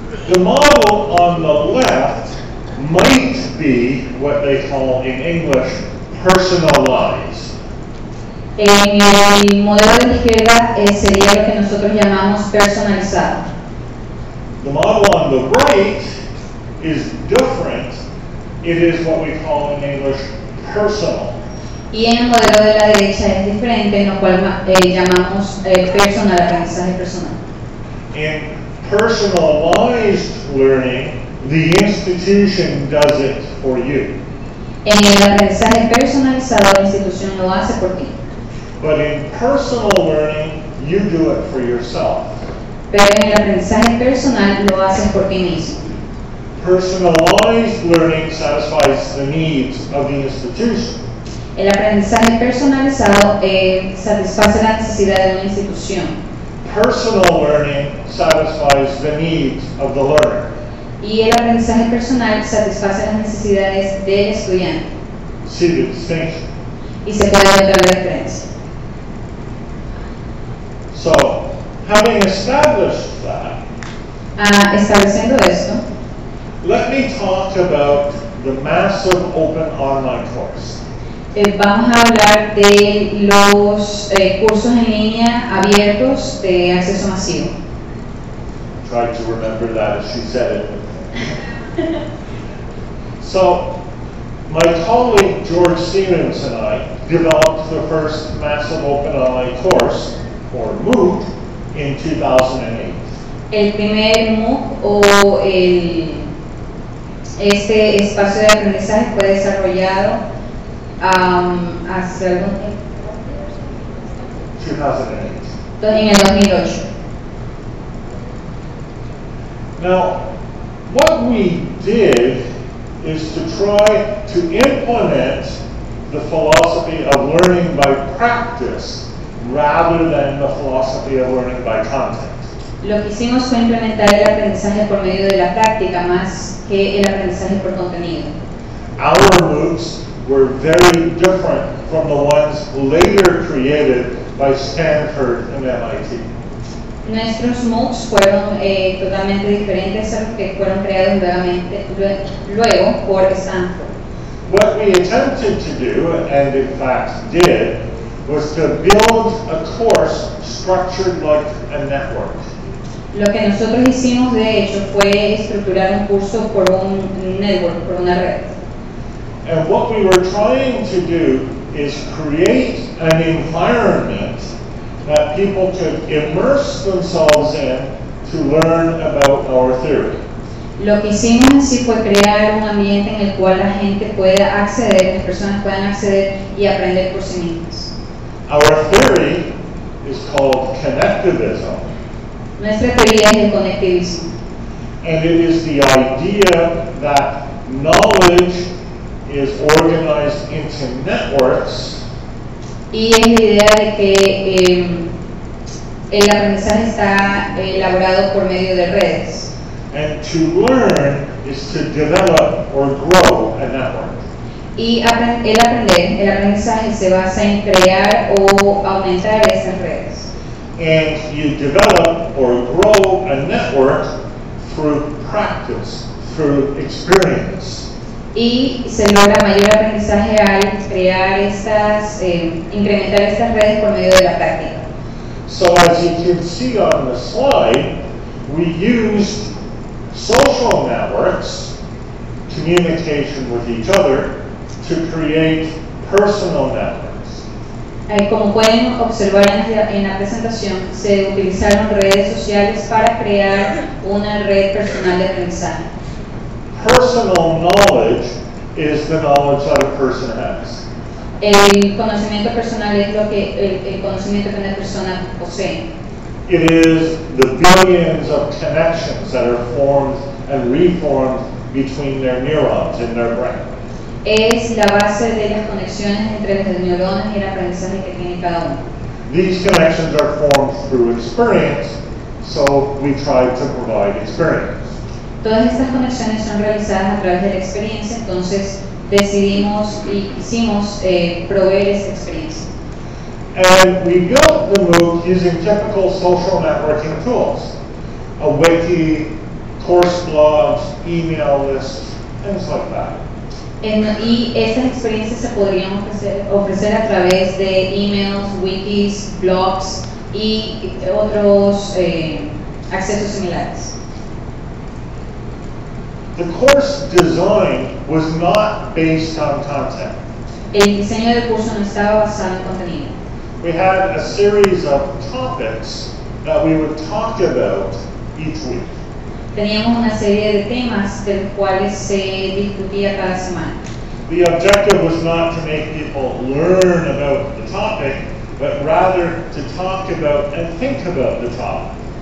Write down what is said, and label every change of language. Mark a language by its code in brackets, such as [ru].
[en] The model on the left might be what they call in English personalized. [es] En el modelo de la izquierda sería lo que nosotros llamamos personalizado. [en] The model on the right is different. It is what we call in English personal. [es] Y en el modelo de la derecha es diferente, en lo cual llamamos personal, aprendizaje personal. [en] In personalized learning, the institution does it for you. [es] En el aprendizaje personalizado, la institución lo hace por ti. [en] But in personal learning, you do it for yourself. [es] Pero en el aprendizaje personal, lo haces por ti mismo. [en] Personalized learning satisfies the needs of the institution. [es] El aprendizaje personalizado satisface la necesidad de una institución. [en] Personal learning satisfies the needs of the learner. [es] Y el aprendizaje personal satisface las necesidades del estudiante. [en] See the distinction. [es] Y se puede notar la diferencia. [en] So, having established that, [es] estableciendo esto, [en] let me talk about the massive open online course. [es] Vamos a hablar de los cursos en línea abiertos de acceso masivo. [en] Try to remember that as she said it. So, my colleague George Stevens and I developed the first massive open online course, or MOOC, in 2008. [es] El primer MOOC o este espacio de aprendizaje fue desarrollado hace algún tiempo. 2008. [en] Now, what we did is to try to implement the philosophy of learning by practice rather than the philosophy of learning by content. [es] Lo que hicimos fue implementar el aprendizaje por medio de la práctica más que el aprendizaje por contenido. [en] Our MOOCs were very different from the ones later created by Stanford and MIT. [es] Nuestros MOOCs fueron totalmente diferentes a los que fueron creados nuevamente luego por Stanford. [en] What we attempted to do, and in fact did, was to build a course structured like a network. [es] Lo que nosotros hicimos de hecho fue estructurar un curso por un network, por una red. [en] And what we were trying to do is create an environment that people could immerse themselves in to learn about our theory. [es] Lo que hicimos en sí fue crear un ambiente en el cual la gente pueda acceder, las personas puedan acceder y aprender por sí mismas. [en] Our theory is called connectivism. [es] Nuestra teoría es el conectivismo. [en] And it is the idea that knowledge is organized into networks. [es] Y es la idea de que el aprendizaje está elaborado por medio de redes. [en] And to learn is to develop or grow a network. [es] Y el aprendizaje se basa en crear o aumentar esas redes. [en] And you develop or grow a network through practice, through experience. [es] Y se logra mayor aprendizaje al crear estas, incrementar estas redes por medio de la práctica. [en] So as you can see on the slide, we used social networks, communication with each other, to create personal networks. [es] Como pueden observar en la presentación, se utilizaron redes sociales para crear una red personal de aprendizaje. [en] Personal knowledge is the knowledge that a person has. [es] El conocimiento personal es lo que el conocimiento que una persona posee. [en] It is the billions of connections that are formed and reformed between their neurons in their brain. [es] Es la base de las conexiones entre los neuronas y el aprendizaje que tiene cada uno. [en] These connections are formed through experience, so we try to provide experience. [es] Todas estas conexiones son realizadas a través de la experiencia, entonces decidimos y hicimos proveer esa experiencia. [en] And we built the MOOC using typical social networking tools, a wiki, course blogs, email lists, things like that. [es] Y esas experiencias se podrían ofrecer a través de emails, wikis, blogs y otros accesos similares. [en] The course design was not based on content. [es] El diseño del curso no estaba basado en contenido. [en] We had a series of topics that we would talk about each week. [es] Teníamos una serie de temas del cual se discutía cada semana. [en] The objective was not to make people learn about the topic, but rather to talk about and think about the topic.